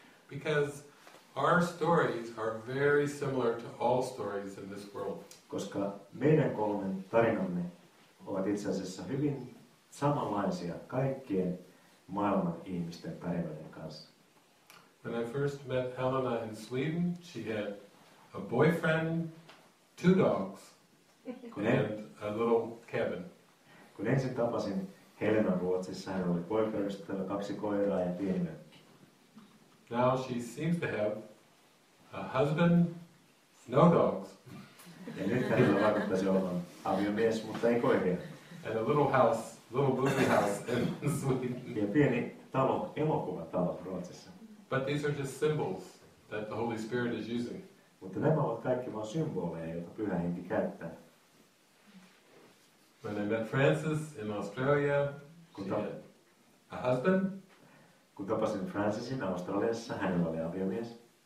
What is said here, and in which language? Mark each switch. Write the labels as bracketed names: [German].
[English] Because our stories are very similar to all stories in this world. [Finnish] Koska meidän kolmen tarinamme ovat itse asiassa hyvin samanlaisia kaikkien maailman ihmisten tarinoiden kanssa. [English] When I first met Helena in Sweden, she had a boyfriend, two dogs, and a little cabin. [Finnish] Kun ensin tapasin Helena Ruotsissa, hän oli poikaystävä, kaksi koiraa ja pieni mökki. [English] Now she seems to have a husband, no dogs. [Finnish] Ja nyt hänellä vaikuttaisi olla aviomies, mutta ei koiria. [English] And a little house, little movie house in Sweden. [Finnish] Ja pieni talo, elokuvatalo Ruotsissa. [English] But these are just symbols that the Holy Spirit is using. [Finnish] Mutta nämä ovat kaikki vain symboleja, joita pyhä henki käyttää. [English] When I met Frances in Australia, she had a husband. [Finnish] Kun tapasin Francisin Australiassa, hänellä oli aviomies.